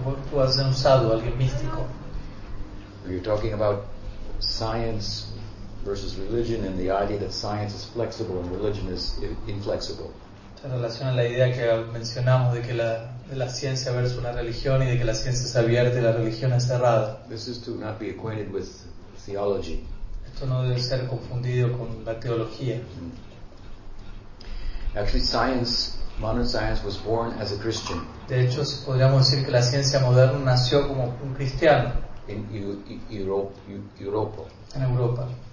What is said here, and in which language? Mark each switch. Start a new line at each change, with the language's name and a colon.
Spanish: Tú vas a ser un sadhu, alguien místico.
English: Are you talking about science versus religion and the idea that science is flexible and religion is inflexible?
Spanish: ¿Te relaciona la idea que mencionamos de que la ciencia versus la religión y de que la ciencia es abierta y la religión es cerrada?
English: This is to not be acquainted with theology.
Spanish: Esto no debe ser confundido con la teología.
English: Actually, science. Modern science was born as a Christian.
Spanish: De hecho, podríamos decir que la ciencia moderna nació como un cristiano.
English: In Europa.
Spanish: En Europa.